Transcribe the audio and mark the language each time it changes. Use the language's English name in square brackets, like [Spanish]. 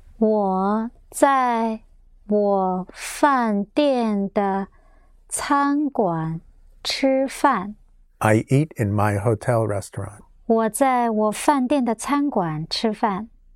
[Chinese] 我在我饭店的餐馆吃饭。 [English] I eat in my hotel restaurant. [Chinese] 我在我饭店的餐馆吃饭。